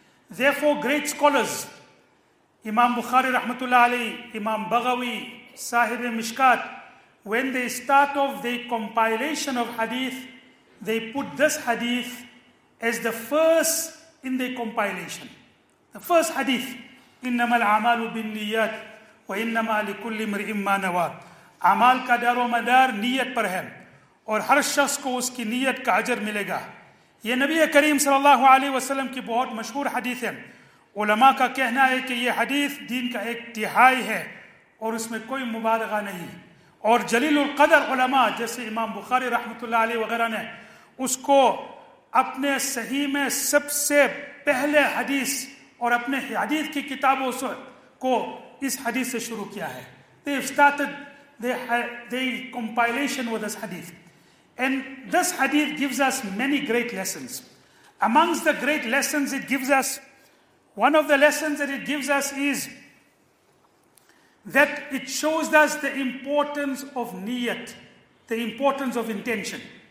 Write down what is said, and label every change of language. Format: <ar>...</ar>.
<en>Therefore, great scholars, Imam Bukhari rahmatullah alayhi, Imam Baghawi, Sahib al-Mishkat, when they start off the compilation of hadith, they put this hadith as the first in the compilation. The first hadith,</en> <ar>إِنَّمَا الْعَمَالُ بِالنِّيَّاتِ وَإِنَّمَا لِكُلِّ امْرِئٍ مَّا نَوَى.</ar> <ur>عَمَال کا دار و مدار نیت پر ہے اور ہر شخص کو اس کی نیت کا اجر ملے گا. یہ نبی کریم صلی اللہ علیہ وسلم کی بہت مشہور حدیث ہے. علماء کا کہنا ہے کہ یہ حدیث دین کا ایک تہائی ہے اور اس میں کوئی مبالغہ نہیں. اور جلیل القدر علماء جیسے امام بخاری رحمۃ اللہ علیہ وغیرہ نے اس کو اپنے صحیح میں سب سے پہلے حدیث اور اپنے حدیث کی کتابوں کو اس حدیث سے شروع کیا ہے.</ur> <en>They started the compilation with this hadith. And this hadith gives us many great lessons. Amongst the great lessons it gives us, one of the lessons that it gives us is that it shows us the importance of niyat, the importance of intention.</en>